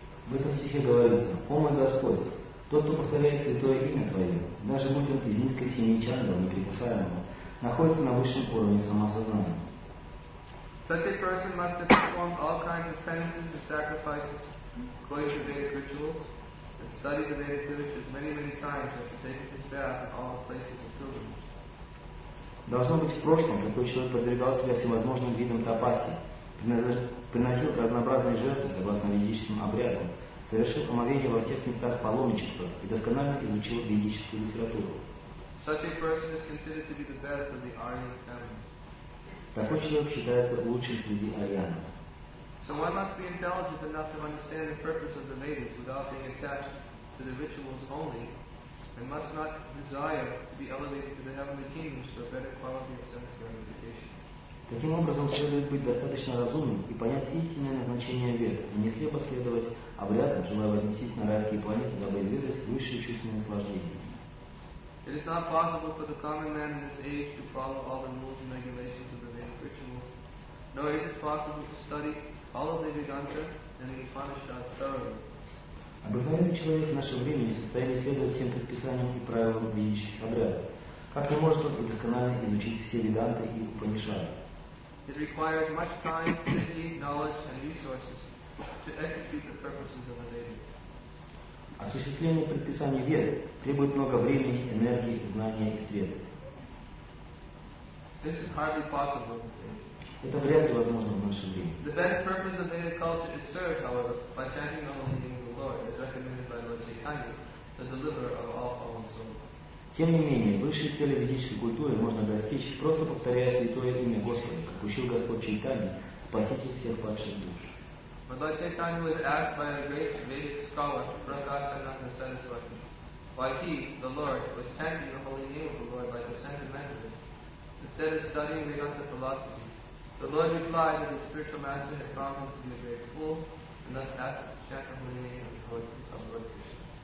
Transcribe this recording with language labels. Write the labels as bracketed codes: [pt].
[ru] Мы там стихе говорили с нами. О мой Господь, тот, кто повторяет святое имя Твое, даже будь он из низкой семьи чадов, неприкасаемого, находится на высшем уровне самосознания. [en] Such a person must have performed all kinds of penances and sacrifices, according to Vedic rituals, and studied the Vedic literatures many, many times after taking his bath in all the places of pilgrimage. [ru] Должно быть, в прошлом такой человек подвергал себя всевозможным видам тапаси, приносил разнообразные жертвы согласно ведическим обрядам, совершил омовение во всех местах паломничества и досконально изучил ведическую литературу. [en] Such a person is considered to be the best of the Aryan family. [ru] Такой человек считается лучшим среди арьянов. [en] So one must be intelligent enough to understand the purpose of the Vedas without being attached to the rituals only, and must not desire to be elevated to the heavenly kingdoms for a better quality of sense or education. [ru] Таким образом, следует быть достаточно разумным и понять истинное назначение Вед, а не слепо следовать обрядам, желая вознестись на райские планеты, дабы изведать высшие чувственные наслаждения. [en] It is not possible for the common man in this age to follow all the rules and regulations of the Vedic rituals, nor is it possible to study all of the Vedanta and the Upanishads thoroughly. [ru] Обыкновенный человек в наше время не в состоянии следовать всем предписаниям и правилам ведических обрядов, как не может он досконально изучить все Веданты и Упанишады. [en] It requires much time, energy, knowledge and resources to execute the purposes of a Vedic. [ru] Осуществление предписаний веды требует много времени, энергии, знания и средств. [en] This is hardly possible. [ru] Это вряд ли возможно в наше время. [en] The best purpose of Vedic culture is served, however, by chanting the holy name of the Lord, as recommended by Lord Chaitanya, the deliverer of all fallen souls. [ru] Тем не менее, высшие цели ведической культуры можно достичь, просто повторяя святое имя Господа, как учил Господь Чайтанья, спаситель всех падших душ. [en] When Lord Chaitanya was asked by a great Vedic scholar, Prakasananda Saraswati, why he, the Lord, was chanting the holy name of the Lord like a sentimentalist, instead of studying Vedanta philosophy, the Lord replied that the spiritual master had found him to be a great fool, and thus asked him to chant the holy name of the Lord Krishna.